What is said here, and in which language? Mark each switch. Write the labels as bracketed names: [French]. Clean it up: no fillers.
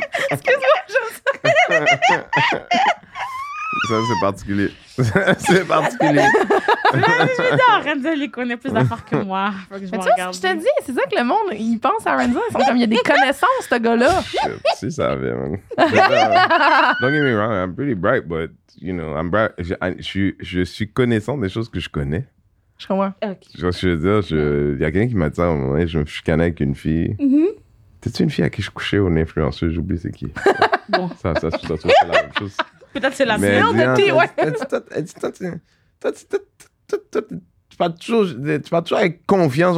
[French] Excuse-moi, je sais. Ça, c'est particulier. C'est particulier. Là, je me dis, Renzel, il connaît plus d'affaires que moi. Faut que je te dis, c'est ça que le monde, il pense à Renzel. Ils sont comme, il y a des connaissances, ce gars-là. Si, ça va bien. [English] Don't get me wrong, I'm pretty bright, but, you know, I'm bright. [French] Je suis connaissant des choses que je connais. Je comprends. Okay. Je veux dire, il y a quelqu'un qui m'a dit à un moment donné, je me chicanais avec une fille. Mm-hmm. T'es-tu une fille à qui je couchais ou une influenceuse? J'oublie c'est qui. Bon. Ça se retrouve, c'est la même chose. Peut-être c'est la même chose. Mais tu parles toujours avec confiance.